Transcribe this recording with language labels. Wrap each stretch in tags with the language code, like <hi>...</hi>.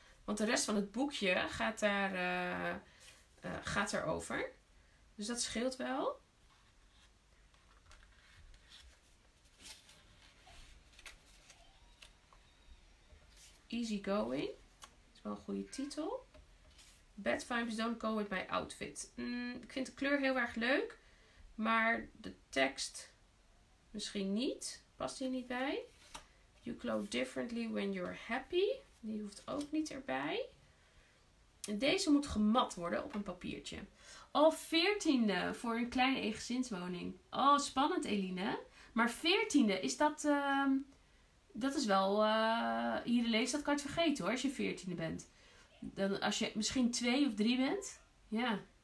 <nl>Want de rest van het boekje gaat daar gaat erover. Dus dat scheelt wel.</nl> <en>Easy going.</en> <nl>Dat is wel een goede titel.</nl> <en>Bad vibes don't go with my outfit.</en> <nl>Ik vind de kleur heel erg leuk. Maar de tekst misschien niet. Past hier niet bij.</nl> <en>You glow differently when you're happy.</en> <nl>Die hoeft ook niet erbij. En deze moet gemat worden op een papiertje. Al 14e voor een kleine eengezinswoning. Oh, spannend, Eline. Maar 14e, is dat... dat is wel... hier de leeftijd kan je het vergeten hoor, als je 14e bent. Dan als je misschien 2 of 3 bent. Ja.</nl>